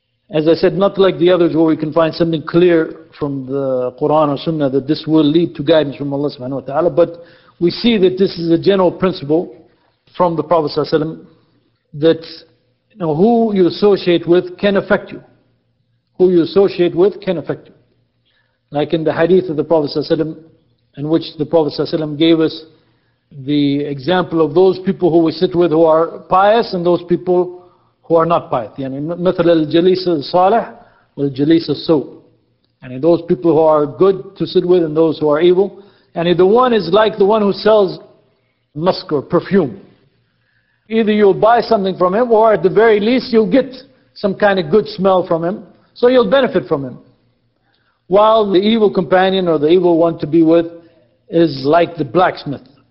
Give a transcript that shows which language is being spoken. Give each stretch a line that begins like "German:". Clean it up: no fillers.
English: As I said, not like the others where we can find something clear from the Quran or Sunnah that this will lead to guidance from Allah subhanahu wa ta'ala, but we see that this is a general principle from the Prophet sallallahu alaihi wasallam that, you know, who you associate with can affect you. Who you associate with can affect you. Like in the hadith of the Prophet sallallahu alaihi wasallam, in which the Prophet sallallahu alaihi wasallam gave us the example of those people who we sit with who are pious and those people who are not pious.
Arabic: يعني مثل الجليس الصالح والجليس السوء. يعني
English: those people who are good to sit with and those who are evil.
Arabic: يعني
English: the one is like the one who sells musk or perfume. Either you'll buy something from him or at the very least you'll get some kind of good smell from him. So you'll benefit from him. While the evil companion or the evil one to be with is like the blacksmith.